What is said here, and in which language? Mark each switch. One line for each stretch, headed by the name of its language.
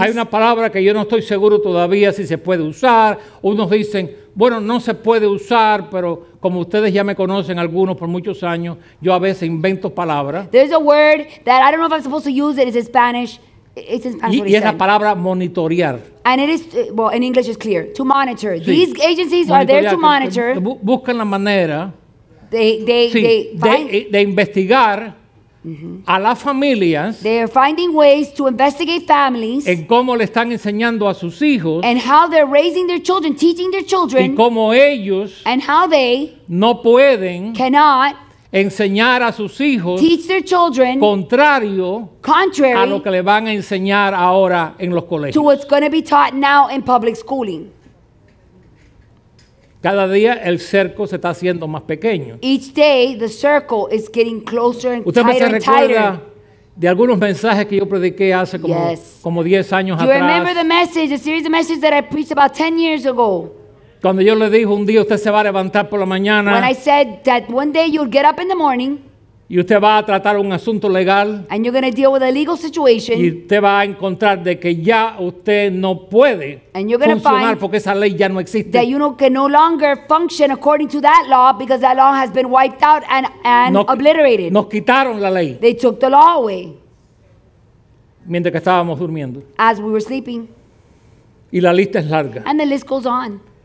Spanish: Hay una palabra que yo no estoy seguro todavía si se puede usar. Unos dicen, bueno, no se puede usar, pero como ustedes ya me conocen algunos por muchos años, yo a veces invento palabras.
English: There's a word that I don't know if I'm supposed to use it. It's in Spanish. It's in Spanish.
Spanish: Y es la palabra monitorear.
English: And it is, well, in English it's clear. To monitor. Sí. These agencies are there to monitor.
Spanish: Buscan la manera.
English: They
Spanish: investigar mm-hmm. a las familias.
English: They are finding ways to investigate families.
Spanish: En cómo le están enseñando a sus hijos.
English: And how they're raising their children, teaching their children.
Spanish: Y cómo ellos.
English: And how they
Spanish: no pueden.
English: Cannot
Spanish: enseñar a sus hijos.
English: Teach their children.
Spanish: Contrario.
English: Contrary
Spanish: a lo que le van a enseñar ahora en los colegios.
English: To what's going to be taught now in public schooling.
Spanish: Cada día el cerco se está haciendo más pequeño.
English: Each day the circle is getting closer and tighter.
Spanish: ¿Usted se recuerda de algunos mensajes que yo prediqué hace como 10 años atrás?
English: Do you remember the message, the series of messages that I preached about 10 years ago?
Spanish: Cuando yo le dije un día usted se va a levantar por la mañana.
English: When I said that one day you'll get up in the morning.
Spanish: Y usted va a tratar un asunto legal.
English: And you're going to deal with a legal situation.
Spanish: Y usted va a encontrar de que ya usted no puede funcionar porque esa ley ya no existe.
English: That you know, can no longer function according to that law because that law has been wiped out and
Spanish: nos,
English: obliterated.
Spanish: Nos quitaron la ley.
English: They took the law away.
Spanish: Mientras que estábamos durmiendo.
English: As we were sleeping.
Spanish: Y la lista es larga.
English: And the list goes on.